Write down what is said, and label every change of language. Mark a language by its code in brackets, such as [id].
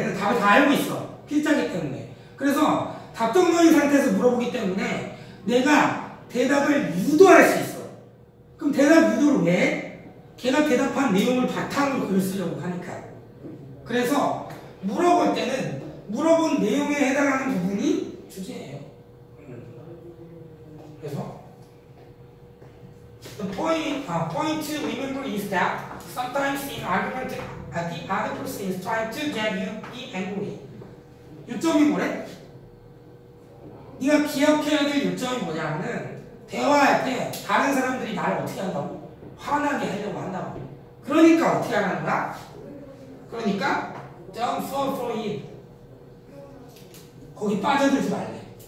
[ko] 얘는 답을 다 알고 있어. 필자기 때문에. 그래서 답던 거인 상태에서 물어보기 때문에 내가 대답을 유도할 수 있어. 그럼 대답 유도를 왜? 걔가 대답한 내용을 바탕으로 글을 쓰려고 하니까. 그래서 물어볼 때는 물어본 내용에 해당하는 부분이 주제예요. [en] 그래서 the point, point to remember is that sometimes in argument the other person is trying to get you be angry. [ko] 요점이 뭐래? 네가 기억해야 될 요점이 뭐냐면은 대화할 때 다른 사람들이 나를 어떻게 한다고? 화나게 하려고 한다고. 그러니까 어떻게 하는 거야? 그러니까 [en] don't fall for it. [ko] 거기 빠져들지 말래.